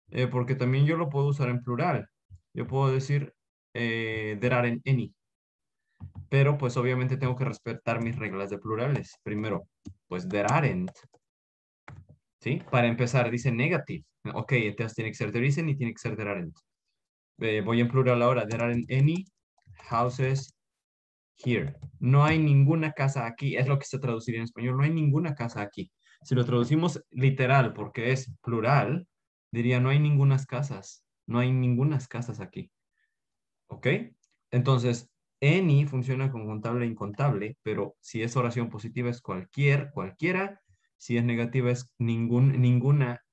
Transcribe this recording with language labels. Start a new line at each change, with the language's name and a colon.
Spanish: Porque también yo lo puedo usar en plural. Yo puedo decir
English: there are any.
Spanish: Pero pues obviamente tengo que respetar mis reglas de plurales. Primero, pues
English: there aren't.
Spanish: ¿Sí? Para empezar, dice negative. Ok, entonces tiene que ser
English: there isn't
Spanish: y tiene que ser
English: there aren't.
Spanish: Voy en plural ahora.
English: There aren't any houses here.
Spanish: No hay ninguna casa aquí. Es lo que se traduciría en español. No hay ninguna casa aquí. Si lo traducimos literal, porque es plural, diría no hay ningunas casas. No hay ningunas casas aquí. ¿Ok? Entonces, any funciona con contable e incontable, pero si es oración positiva es cualquiera. Si es negativa es ninguna